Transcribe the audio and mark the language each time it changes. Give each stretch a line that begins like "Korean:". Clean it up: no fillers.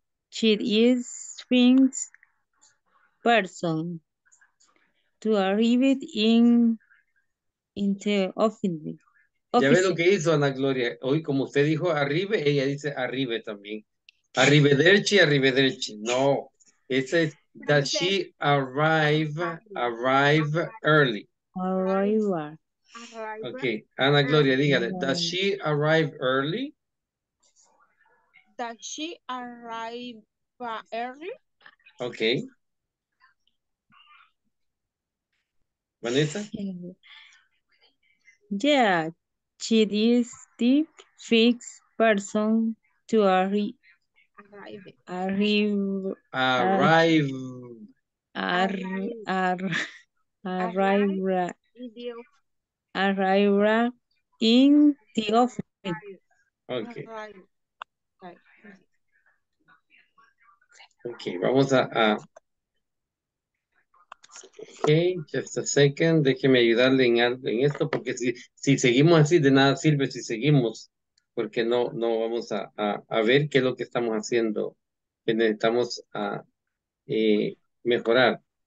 English: She is Sphinx's person to arrive in the office.
Spanish: Ya ve lo que hizo Ana Gloria. Hoy, como usted dijo, arrive, ella dice arrive también.
Italian: Arrivederci, arrivederci.
Spanish: No. Esa es,
English: does she arrive early?
Italian: Arriva.
Spanish: Ok. Ana Gloria, dígale.
English: Does she arrive early? Does she arrive early? Ok. Vanessa? Yeah. She is the fixed person to arrive in the office. Okay.
Spanish: Okay, vamos a
English: okay, just a second,
Spanish: déjeme ayudarle en esto, porque si seguimos así, de nada sirve si seguimos, porque no vamos a ver qué es lo que estamos haciendo, que necesitamos mejorar.